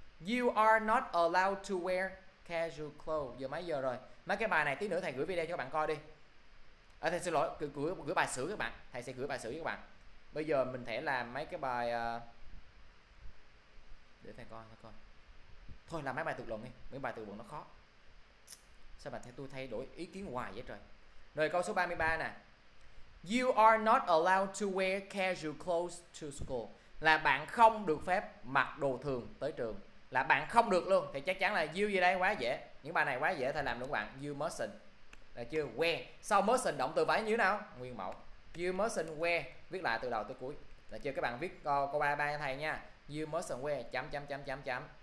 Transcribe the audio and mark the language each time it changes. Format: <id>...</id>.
<en>You are not allowed to wear casual clothes.</en> <vi>Giờ mấy giờ rồi? Mấy cái bài này tí nữa thầy gửi video cho các bạn coi đi. À, thầy xin lỗi, gửi bài sử các bạn. Thầy sẽ gửi bài sử cho các bạn. Bây giờ mình sẽ làm mấy cái bài để thầy coi, thôi làm mấy bài thuộc lòng đi, mấy bài thuộc lòng nó khó. Sao mà thầy tôi thay đổi ý kiến hoài vậy trời? Rồi câu số 33 nè.</vi> <en>You are not allowed to wear casual clothes to school.</en> <vi>Là bạn không được phép mặc đồ thường tới trường. Là bạn không được luôn. Thì chắc chắn là you gì đây, quá dễ. Những bài này quá dễ, thầy làm được các bạn.</vi> <en>You mustn't.</en> <vi>Là chưa wear. Sau mustn't động từ phải như thế nào? Nguyên mẫu.</vi> <en>You mustn't wear.</en> <vi>Viết lại từ đầu tới cuối. Là chưa, các bạn viết câu 33 cho thầy nha.</vi> <en>You mustn't wear</en> <vi>chấm chấm chấm chấm chấm.</vi>